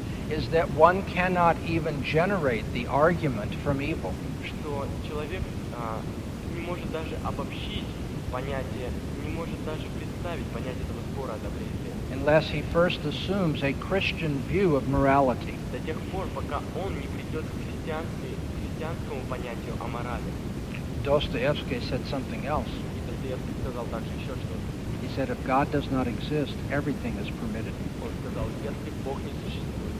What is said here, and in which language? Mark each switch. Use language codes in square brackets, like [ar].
[en] is that one cannot even generate the argument from evil. [ru] Что человек не может даже обобщить понятие, не может даже представить понятие этого спора о добре и зле. [en] Unless he first assumes a Christian view of morality. [ru] До тех пор, пока он не придет к христианскому понятию о морали. [en] Достоевский said something else. [ru] И Достоевский сказал также еще что-то. [en] He said, if God does not exist, everything is permitted. [ru] Он сказал, если Бог не существует,